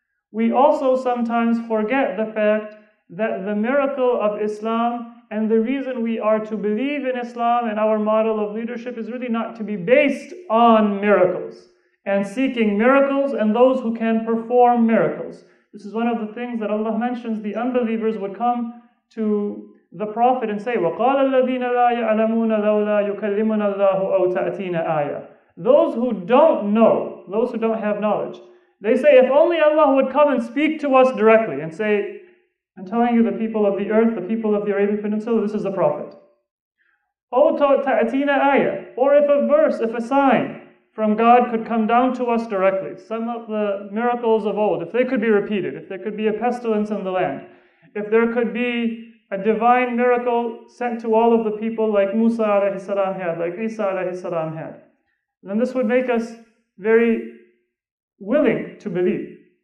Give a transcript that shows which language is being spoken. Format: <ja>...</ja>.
<en>We also sometimes forget the fact that the miracle of Islam and the reason we are to believe in Islam and our model of leadership is really not to be based on miracles and seeking miracles and those who can perform miracles. This is one of the things that Allah mentions. The unbelievers would come to the Prophet and say,</en> <ar>وَقَالَ الَّذِينَ لَا يَعْلَمُونَ لَوْلَا يُكَلِّمُنَا اللَّهُ أَوْ تَأْتِينَ آيَةً.</ar> <en>Those who don't know, those who don't have knowledge, they say, if only Allah would come and speak to us directly and say, I'm telling you, the people of the earth, the people of the Arabian Peninsula, this is the Prophet.</en> <ar>أَوْ تَأْتِينَ آيَةً.</ar> <en>Or if a verse, if a sign from God could come down to us directly, some of the miracles of old, if they could be repeated, if there could be a pestilence in the land, if there could be a divine miracle sent to all of the people like Musa alayhi salam had, like Isa alayhi salam had, then this would make us very willing to believe.</en>